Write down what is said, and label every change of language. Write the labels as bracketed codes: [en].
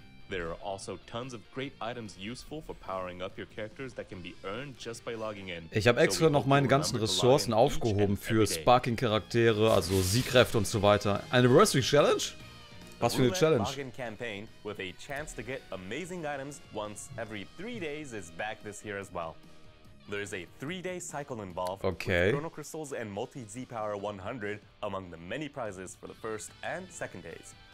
[en] There are also tons of great items useful for powering up your characters that can be earned just by logging in. [de] Ich habe extra noch meine ganzen Ressourcen aufgehoben für Sparking Charaktere, also Siegkräfte und so weiter. Anniversary Challenge. Was für eine Challenge. [en] Login campaign with a chance to get amazing items once every 3 days is back this year as well. There is a 3-day cycle involved. Okay. With Chrono Crystals and Multi Z Power 100 among the many prizes for the first and second days.